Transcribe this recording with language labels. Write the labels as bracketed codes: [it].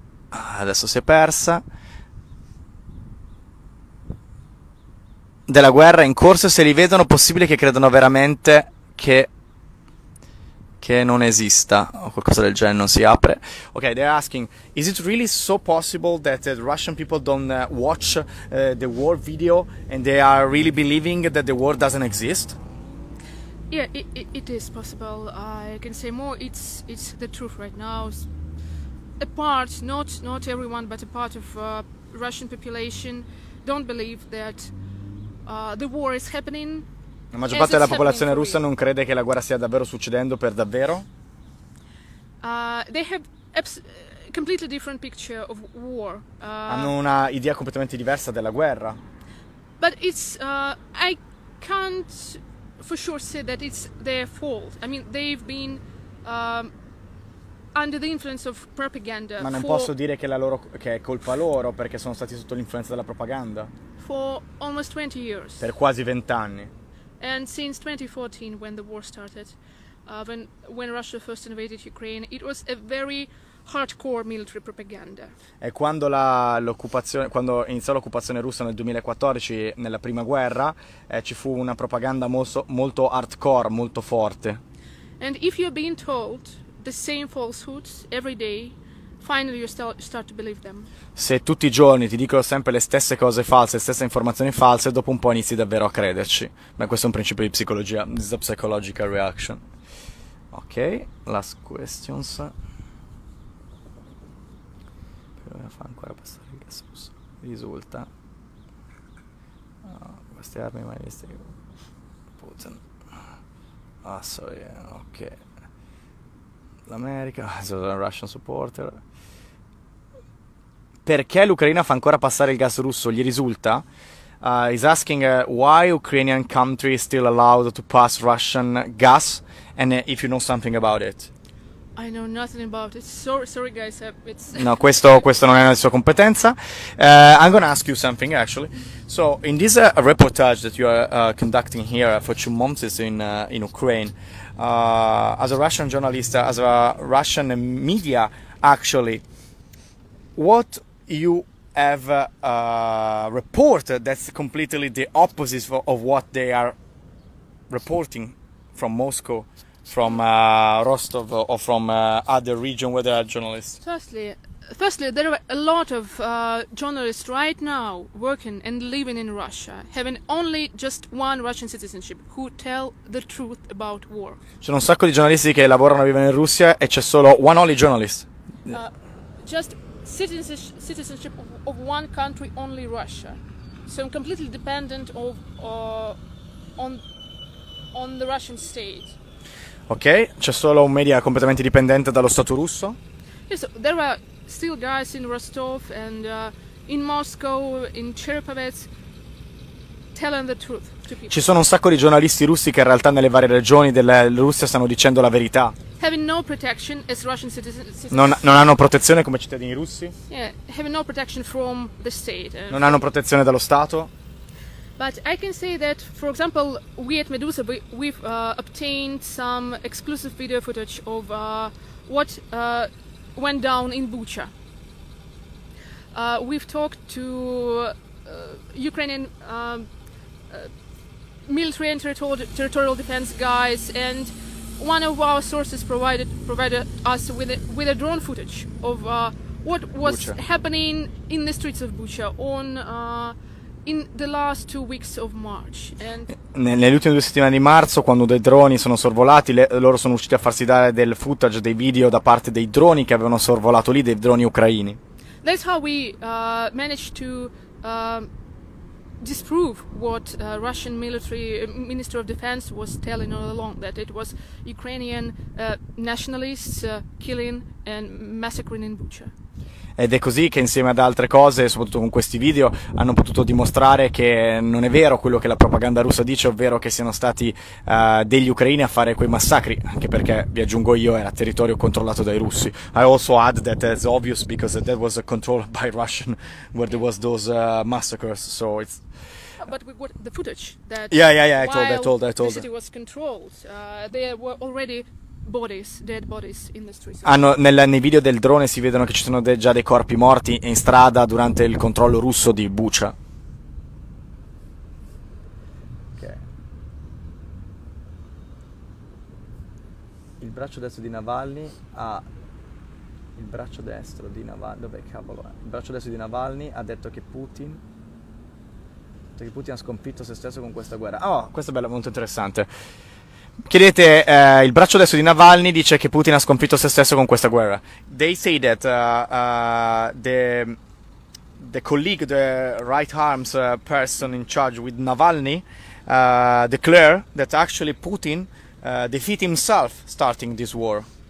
[it] Adesso si è persa. Della guerra in corso, se li vedono, possibile che credano veramente che non esista o qualcosa del genere, non si apre. [en] Okay, they're asking, is it really so possible that the Russian people don't watch the war video and they are really believing that the war doesn't exist? Yeah, it is possible. I can say more, it's the truth right now. A part, not everyone, but a part of Russian population don't believe that the war is happening. [it] La maggior parte della popolazione russa non crede che la guerra stia davvero succedendo per davvero? [en] They have completely different picture of war. [it] Hanno una idea completamente diversa della guerra. [en] But it's I can't for sure say that it's their fault. I mean, they've been under the influence of propaganda. [it] Ma non posso dire che è colpa loro perché sono stati sotto l'influenza della propaganda. [en] For almost 20 years. [it] Per quasi 20 anni. [en] And since 2014, when the war started, when Russia first invaded Ukraine, it was a very hardcore military propaganda. [it] E quando quando iniziò l'occupazione russa nel 2014, nella prima guerra, ci fu una propaganda molto hardcore, molto forte. [en] And if you're being told the same falsehoods every day, finally you start to believe them. [it] Se tutti i giorni ti dicono sempre le stesse cose false, le stesse informazioni false, dopo un po' inizi davvero a crederci. Ma questo è un principio di psicologia, [en] this is a psychological reaction. Ok, last questions. [it] Però mi fa ancora passare il gas russo. Risulta. Oh, queste armi mai viste. Putin. [en] Ah, sorry, ok. [it] L'America, un [en] Russian supporter. [it] Perché l'Ucraina fa ancora passare il gas russo? Gli risulta? [en] He's asking why Ukrainian country is still allowed to pass Russian gas and if you know something about it. I know nothing about it. Sorry guys, it's... [it] No, questo non è nella sua competenza. [en] I'm gonna ask you something actually. So, in this reportage that you are conducting here for 2 months in Ukraine, as a Russian journalist, as a Russian media, actually, what you have reported that's completely the opposite of what they are reporting from Moscow, from Rostov, or from other region where there are journalists? Firstly, there are a lot of journalists right now working and living in Russia, having only just one Russian citizenship, who tell the truth about war. [it] C'è un sacco di giornalisti che lavorano e vivono in Russia e c'è solo [en] one only journalist. Just citizenship of one country only, Russia. So I'm completely dependent of on the Russian state. [it] Ok, c'è solo un media completamente dipendente dallo stato russo? [en] Yes, there are still guys in Rostov and in Moscow, in Cherepovets, telling the truth to people. [it] Ci sono un sacco di giornalisti russi che in realtà nelle varie regioni della Russia stanno dicendo la verità. [en] Having no protection as Russian citizens. [it] Non hanno protezione come cittadini russi? [en] Yeah, having no protection from the state. [it] Non hanno protezione dallo Stato? [en] But I can say that, for example, we at Medusa, we've obtained some exclusive video footage of what went down in Bucha. We've talked to Ukrainian military and territorial defense guys, and one of our sources provided us with a drone footage of what was Bucha. Happening in the streets of Bucha on in the last 2 weeks of March. [it] Nelle ultime due settimane di marzo, quando dei droni sono sorvolati, loro sono riusciti a farsi dare del footage, dei video da parte dei droni che avevano sorvolato lì, dei droni ucraini. [en] That's how we managed to disprove what Russian military minister of defense was telling all along, that it was Ukrainian nationalists killing and massacring in Bucha. [it] Ed è così che insieme ad altre cose, soprattutto con questi video, hanno potuto dimostrare che non è vero quello che la propaganda russa dice, ovvero che siano stati degli ucraini a fare quei massacri, anche perché, vi aggiungo io, era territorio controllato dai russi. [en] I also add that it's obvious because that was controlled by Russian where there was those massacres, so it's... But we got the footage that... Yeah, I told. The city was controlled, they were already... Bodies, dead bodies in the streets. [it] Nei video del drone si vedono che ci sono già dei corpi morti in strada durante il controllo russo di Bucha. [en] Okay. [it] Il braccio destro di Navalny ha il braccio destro di Navalny, dov'è cavolo? Il braccio destro di Navalny ha detto che Putin ha sconfitto se stesso con questa guerra. Oh, questo è bello, molto interessante. Chiedete, il braccio destro di Navalny dice che Putin ha sconfitto se stesso con questa guerra. [en] They say that the colleague, the right arms person in charge with Navalny, declare that actually Putin defeat himself starting this war.